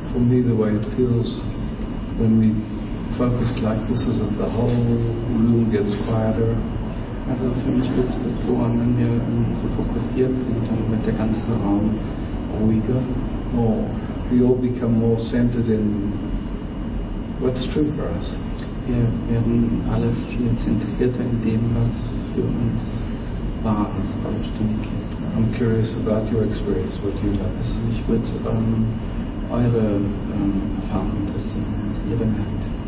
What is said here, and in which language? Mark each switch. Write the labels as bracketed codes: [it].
[en] The way it feels when we focus like this is that the whole room gets quieter. [de] Also für mich fühlt sich das so an, wenn wir so fokussiert sind, dann wird der ganze Raum ruhiger. [en] Oh, we all become more centered in what's true for us. [de] Wir werden alle viel zentrierter in dem, was für uns wahr ist, was stimmig ist. [en] I'm curious about your experience, what you notice. [de] Ich würde eure Erfahrung interessieren, was ihr bemerkt.